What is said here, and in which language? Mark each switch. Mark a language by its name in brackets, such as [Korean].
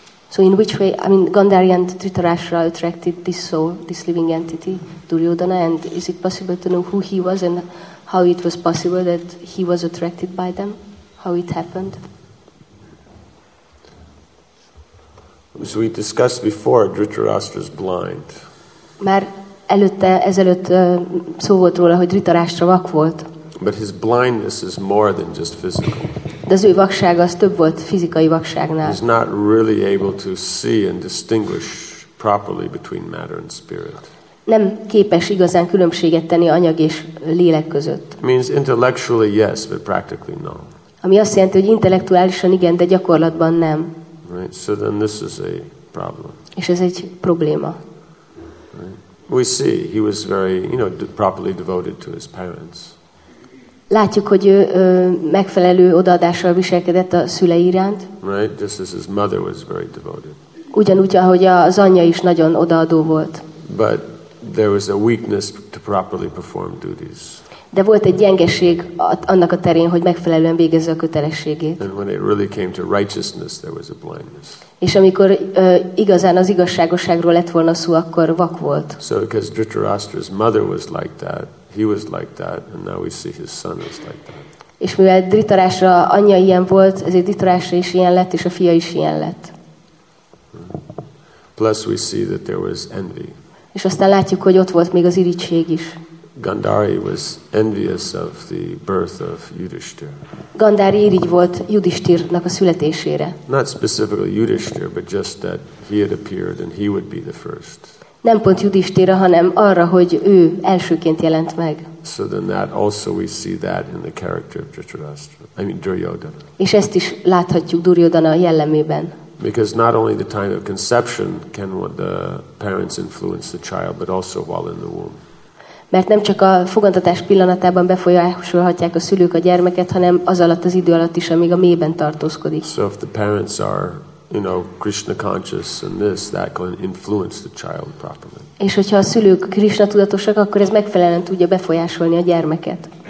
[English] So in which way, I mean, Gandhari and Dhritarashtra attracted this soul, this living entity, Duryodhana, and is it possible to know who he was and how it was possible that he was attracted by them, how it happened? As we discussed before, Dhritarashtra is blind. [Hungarian] Már ezelőtt szó volt róla, hogy Dhritarashtra vak volt. [English] But his blindness is more than just physical. [Hungarian] De az ő vaksága az több volt fizikai vakságnál. [English] He's not really able to see and distinguish properly between matter and spirit. [Hungarian] Nem képes igazán különbséget tenni anyag és lélek között. [English] Means intellectually yes, but practically no. [Hungarian] Ami azt jelenti, hogy intellektuálisan igen, de gyakorlatban nem. [English] Right. So then this is a problem. [Hungarian] És ez egy probléma. [English] Right. We see he was very, you know, properly devoted to his parents. [Hungarian] Látjuk, hogy ő megfelelő odaadással viselkedett a szülei iránt. [English] Right, just as his mother was very devoted. [Hungarian] Ugyanúgy, ahogy az anyja is nagyon odaadó volt. [English] But there was a weakness to properly perform duties. [Hungarian] De volt egy gyengeség annak a terén, hogy megfelelően végezze a kötelességét. [English] And when it really came to righteousness, there was a blindness. [Hungarian] És amikor igazán az igazságosságról lett volna szó, akkor vak volt. [English] So because Dhritarashtra's mother was like that, he was like that, and now we see his son is like that. [Hungarian] És mivel Dhritarashtra anyja ilyen volt, ezért Dhritarashtra is ilyen lett, és a fia is ilyen lett. [English] Plus we see that there was envy. [Hungarian] És aztán látjuk, hogy ott volt még az irigység is. [English] Gandhari was envious of the birth of Yudhishthir. [Hungarian] Gandhari irigy volt Yudhishthirnak a születésére. [English] Not specifically Yudhishthir, but just that he had appeared and he would be the first. [Hungarian] Nem pont Yudhishthirra, hanem arra, hogy ő elsőként jelent meg. [English] So then that also we see that in the character of Dhritarashtra. I mean Duryodhana. [Hungarian] És ezt is láthatjuk Duryodhana jellemében. [English] Because not only the time of conception can the parents influence the child, but also while in the womb. [Hungarian] Mert nem csak a fogantatás pillanatában befolyásolhatják a szülők a gyermeket, hanem az alatt az idő alatt is, amíg a méhben tartózkodik. [English] So if the parents are, you know, Krishna conscious and this, that can influence the child properly. [Hungarian] És hogyha a szülők Krishna tudatosak, akkor ez megfelelően tudja befolyásolni a gyermeket.